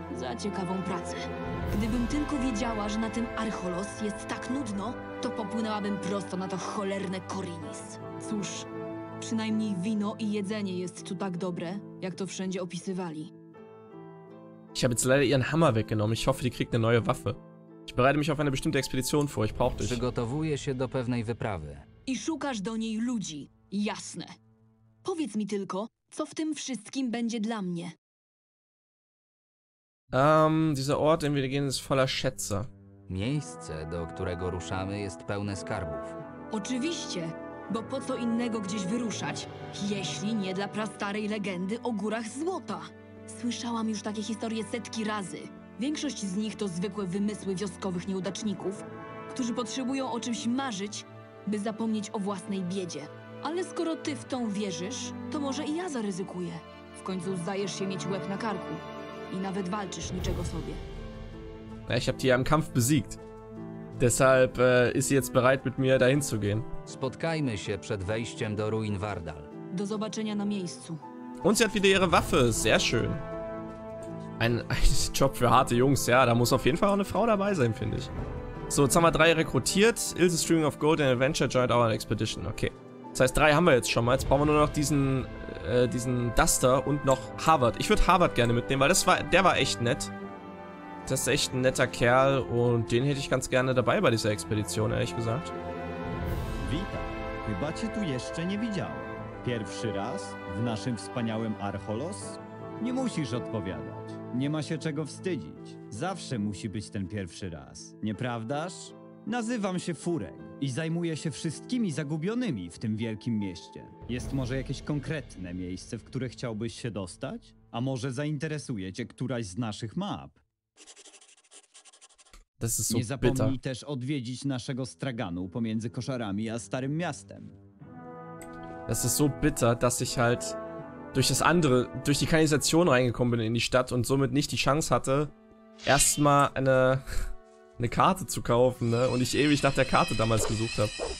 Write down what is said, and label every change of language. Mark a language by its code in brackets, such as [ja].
[pl] Za ciekawą pracę. Gdybym tylko wiedziała, że na tym Archolos jest tak nudno, to popłynęłabym prosto na to cholerne Korinis. Cóż, przynajmniej wino i jedzenie jest tu tak dobre, jak to wszędzie opisywali. [de] Ich habe jetzt leider ihren Hammer weggenommen. Ich hoffe, die kriegt eine neue Waffe. Ich bereite mich auf eine bestimmte Expedition vor. Ich brauche dich. [pl] Przygotowuję się do pewnej wyprawy. I szukasz do niej ludzi. Jasne. Powiedz mi tylko, co w tym wszystkim będzie dla mnie. [de] Dieser Ort, den wir gehen, ist voller Schätze. [pl] Miejsce, do którego ruszamy, jest pełne skarbów. Oczywiście, bo po co innego gdzieś wyruszać, jeśli nie dla prastarej legendy o górach złota? Słyszałam już takie historie setki razy. Większość z nich to zwykłe wymysły wioskowych nieudaczników, którzy potrzebują o czymś marzyć, by zapomnieć o własnej biedzie. Ale skoro ty w tą wierzysz, to może i ja zaryzykuję. W końcu zdajesz się mieć łeb na karku. I nawet walczysz niczego sobie. [de] Ja, ich hab die ja im Kampf besiegt. Deshalb ist sie jetzt bereit, mit mir dahin zu gehen. [pl] Spotkajmy się przed wejściem do ruin Vardal. Do zobaczenia na miejscu. [de] Und sie hat wieder ihre Waffe, sehr schön. Ein Job für harte Jungs, ja, da muss auf jeden Fall auch eine Frau dabei sein, finde ich. So, jetzt haben wir drei rekrutiert. [en] Ilse Streaming of Gold and Adventure joined our expedition, okay. [de] Das heißt, drei haben wir jetzt schon mal. Jetzt brauchen wir nur noch diesen Duster und noch Harvard. Ich würde Harvard gerne mitnehmen, weil der war echt nett. Das ist echt ein netter Kerl und den hätte ich ganz gerne dabei bei dieser Expedition, ehrlich gesagt. [pl] Witam. Chyba cię tu jeszcze nie widziałem. Pierwszy raz w naszym wspaniałym Archolos? Nie musisz odpowiadać. Nie ma się czego wstydzić. Zawsze musi być ten pierwszy raz. Nieprawdaż? Nazywam się Furek i zajmuję się wszystkimi zagubionymi w tym wielkim mieście. Jest może jakieś konkretne miejsce, w które chciałbyś się dostać? A może zainteresuje cię któraś z naszych map? [de] Das ist so [pl] nie zapomnij [de] bitter. [pl] Też odwiedzić naszego straganu pomiędzy koszarami a starym miastem. [de] Das ist so bitter, dass ich halt durch das andere, durch die Kanalisation reingekommen bin in die Stadt und somit nicht die Chance hatte, erstmal eine Karte zu kaufen, ne? Und ich ewig nach der Karte damals gesucht habe.